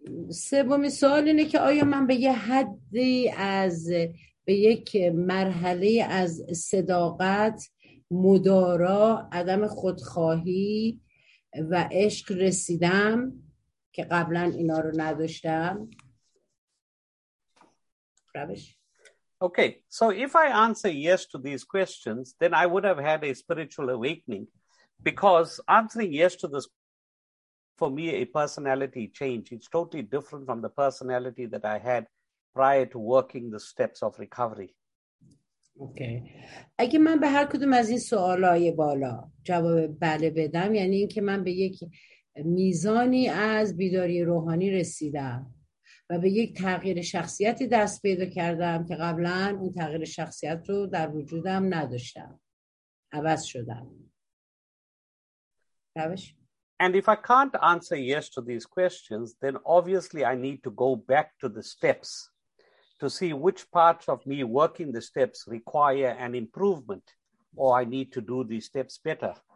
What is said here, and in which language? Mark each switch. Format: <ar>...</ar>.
<fa>سومین سوال اینه که آیا من به یه حدی از به یک مرحله از صداقت، مدارا، عدم خودخواهی و عشق رسیدم که قبلا اینا رو نداشتم؟ روش.</fa> <en>Okay, so if I answer yes to these questions, then I would have had a spiritual awakening, because answering yes to this, for me, a personality change. It's totally different from the personality that I had prior to working the steps of recovery. Okay.</en> <fa>اگه من به هر کدوم از این سوالای بالا جواب بله بدم، یعنی این که من به یک میزانی از بیداری روحانی رسیدم و به یک تغییر شخصیتی دست پیدا کردم که قبلا اون تغییر شخصیت رو در وجودم نداشتم. عوض شدم. روش؟</fa> <en>And if I can't answer yes to these questions, then obviously I need to go back to the steps to see which parts of me working the steps require an improvement, or I need to do these steps better.</en>